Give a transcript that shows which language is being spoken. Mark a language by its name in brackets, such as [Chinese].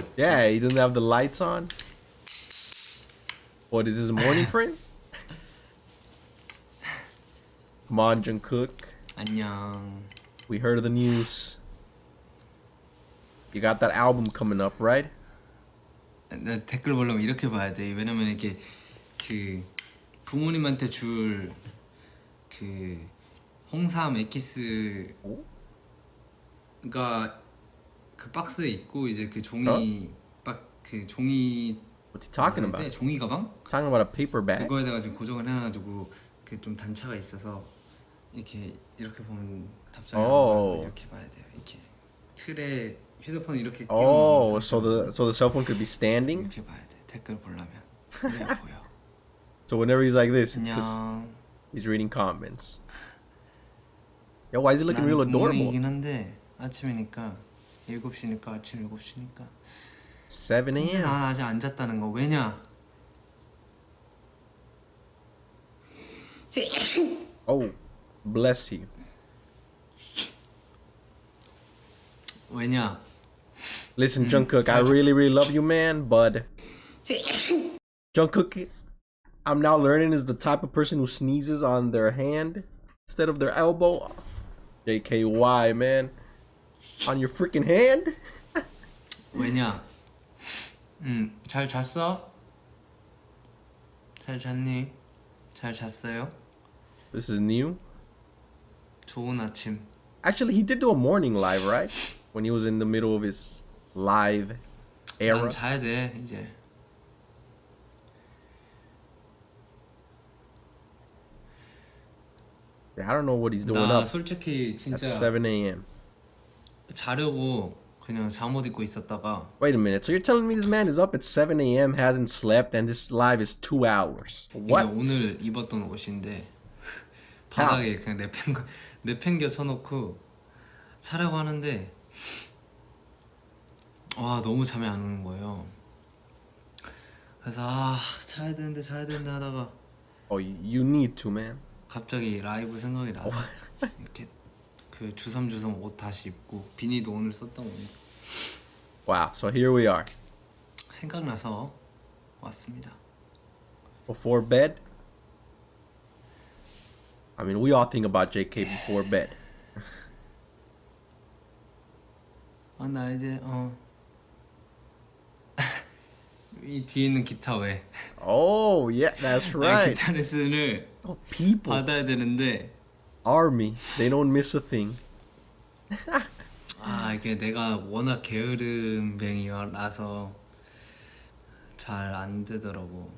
[English] Yeah, he doesn't have the lights on. What is this, a morning frame? Come on, Jungkook. [Korean] 안녕. [English] We heard of the news. You got that album coming up, right? [Korean] 나 댓글 보려면 이렇게 봐야 돼. 왜냐면 이렇게 그 부모님한테 줄 그 홍삼 에키스. 오? 가 그 박스에 있고 이제 그 종이 박 그 종이 [English] What are you talking about? [Korean] 종이 가방? [English] Talking about a paper bag. [Korean] 그거에다가 지금 고정을 해놔가지고 그 좀 단차가 있어서 이렇게 보면 답장이 나와서 이렇게 봐야 돼요. 이렇게 틀에 휴대폰 이렇게 끼워. [English] Oh, so the cell phone could be standing. [Korean] 이렇게 봐야 돼. 댓글 보려면 이렇게 보여. [English] So whenever he's like this, it's because he's reading comments. Yo, why is he looking real adorable? [Korean] 아침이니까 7시니까 아침 7시니까 [English] 7 a.m. [Korean] 난 아직 안 잤다는 거 왜냐? [English] Oh, bless you. [Korean] 왜냐? [English] Listen, Jungkook, I really, really love you, man, but Jungkook, I'm now learning is the type of person who sneezes on their hand instead of their elbow. JKY, man. On your freaking hand? [Korean] 왜냐? 잘 잤어? 잘 잤니? 잘 잤어요? [English] This is new? [Korean] 좋은 아침. [English] Actually, he did do a morning live, right? When he was in the middle of his live era. [Korean] 난 자야 돼, 이제. [English] 네, I don't know what he's doing [Korean] 나 [English] up. [Korean] 나 솔직히 진짜 [English] at 7 a.m. [Korean] 자려고 그냥 잠옷 입고 있었다가 [English] Wait a minute. So you're telling me this man is up at 7 a.m. hasn't slept and this live is 2 hours. What? [Korean] 오늘 입었던 옷인데 바닥에 그냥 내팽겨 쳐놓고 자려고 하는데 와 너무 잠이 안 오는 거예요. 그래서 자야 된다 하다가 [English] Oh, you need to, man. [Korean] 갑자기 라이브 생각이 나서 이렇게 그 주섬주섬 옷 다시 입고 비니도 오늘 썼던 옷. [English] Wow, so here we are. [Korean] 생각나서 왔습니다. [English] Before bed? I mean, we all think about JK before bed. [Korean] 아, 나 이제 이 뒤에 있는 기타 왜? [English] Oh, yeah, that's right. [Korean] 기타 레슨을 받아야 되는데. [English] Army, they don't miss a thing. [Korean] 아 이게 내가 워낙 게으름뱅이라서 잘 안 되더라고.